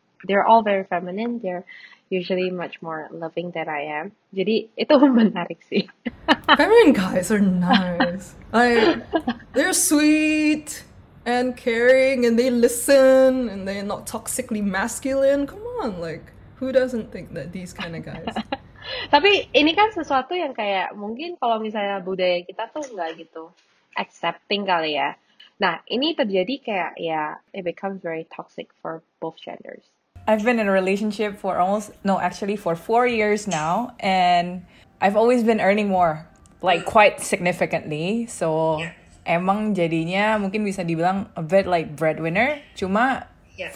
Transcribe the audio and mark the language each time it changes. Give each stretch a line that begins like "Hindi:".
English: They're all very feminine. They're usually much more loving than I am.
Indonesian: Jadi itu menarik sih.
English: Feminine guys are nice. They're sweet and caring and they listen and they're not toxically masculine. Come on, like who doesn't think that these kind of guys?
Indonesian: Tapi ini kan sesuatu yang kayak mungkin kalau misalnya budaya kita tuh nggak gitu accepting kali ya. Nah, ini terjadi kayak ya
English: it becomes very toxic for both genders. I've been in a relationship for almost, no, actually for 4 years now, and I've always been earning more, like quite significantly. So, yes.
Indonesian: Emang jadinya mungkin bisa dibilang
English: a bit like breadwinner.
Indonesian: Cuma, yes.